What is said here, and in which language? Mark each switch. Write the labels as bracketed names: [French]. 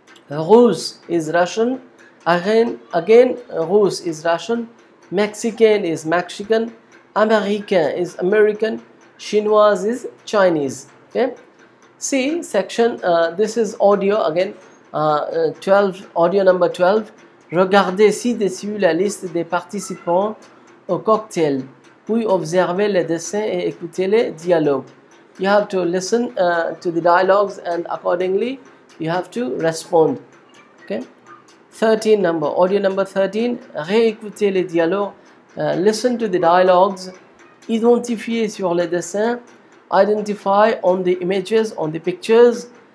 [English] Russe is Russian, again Russe is Russian, Mexican is Mexican, American is American, Chinoise is Chinese. Okay, see section, this is audio again, 12, audio number 12. [French] Regardez ci-dessus la liste des participants au cocktail, puis observez les dessins et écoutez les dialogues. [English] You have to listen to the dialogues and accordingly you have to respond. Okay, 13 number, audio number 13. [French] Réécoutez les dialogues, [English] listen to the dialogues, [French] identifiez sur les dessins, [English] identify on the images, on the pictures.